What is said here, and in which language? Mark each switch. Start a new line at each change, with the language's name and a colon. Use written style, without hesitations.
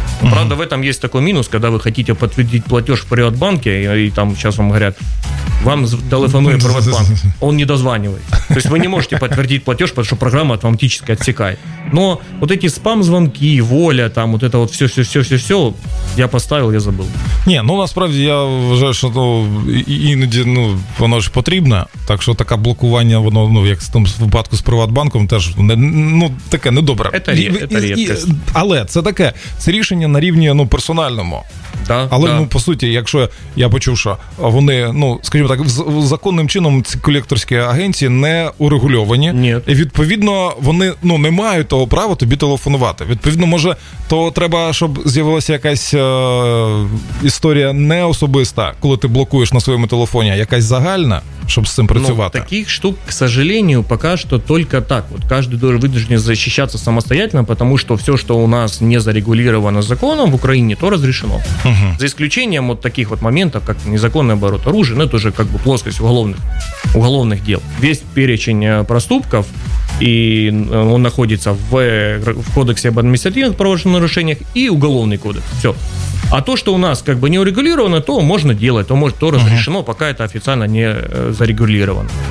Russian: Правда, в этом есть такой минус, когда вы хотите подтвердить платеж в Приватбанке, и там сейчас вам говорят, вам телефонует Приватбанк, он не дозванивает. То есть вы не можете подтвердить платеж, потому что программа автоматически отсекает. Но вот эти спам-звонки, воля, там вот это вот все-все-все-все-все, я поставил, я забыл.
Ukrainian: Не, ну, насправді, я вважаю, що ну, іноді ну, воно ж потрібне, так що таке блокування, воно, ну, як в тому випадку з Приватбанком, теж не, ну, таке недобре. Це рідкість. Але це таке, це рішення на рівні ну, персональному. Да, але, да. Ну, по суті, якщо я почув, що вони, ну, скажімо так, законним чином ці колекторські агенції не урегульовані.
Russian: Нет.
Ukrainian: І, відповідно, вони ну, не мають того права тобі телефонувати. Відповідно, може, то треба, щоб з'явилася якась історія не особиста, коли ти блокуєш на своєму телефоні, а якась загальна, щоб з цим працювати. Ну, таких штук,
Russian: к сожалению,
Ukrainian: поки що тільки так. От кожен дуже
Russian: вынужден
Ukrainian: защищатися
Russian: самостоятельно,
Ukrainian: тому що все, що у нас
Russian: не зарегулировано законом
Ukrainian: в Україні,
Russian: то разрешено. За исключением вот таких вот моментов, как незаконный оборот оружия, ну это уже как бы плоскость уголовных дел. Весь перечень проступков, и он находится в кодексе об административных правонарушениях и уголовный кодекс. Все. А то, что у нас как бы не урегулировано, то можно делать, то может то разрешено, пока это официально не зарегулировано.